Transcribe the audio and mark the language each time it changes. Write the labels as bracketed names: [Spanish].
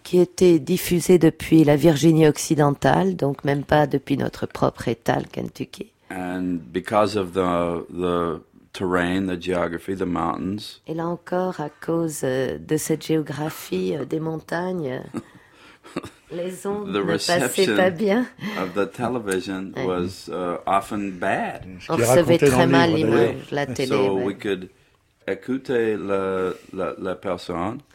[French] qui était diffusée depuis la Virginie occidentale, donc même pas depuis notre propre état, le Kentucky. [English] And because of the terrain, the geography, the mountains. [French] Et là encore, à cause de cette géographie des montagnes, les ondes ne passaient pas bien. [English] Of the television was often bad. [French] On recevait très mal l'image, la télé. [English] So we could [French] écouter la personne.